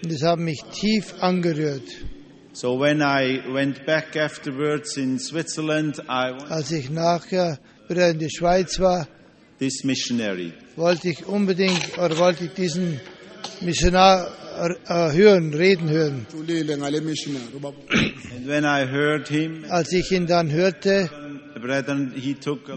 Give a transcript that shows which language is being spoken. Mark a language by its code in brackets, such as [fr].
[de] Und es hat mich tief angerührt. [en] So when I went back afterwards in Switzerland, I [de] als ich nachher wieder in die Schweiz war, [en] this missionary. [de] Wollte ich unbedingt oder wollte ich diesen Missionar hören, reden hören. [en] And when I heard him, [de] als ich ihn dann hörte, [en] brethren, he took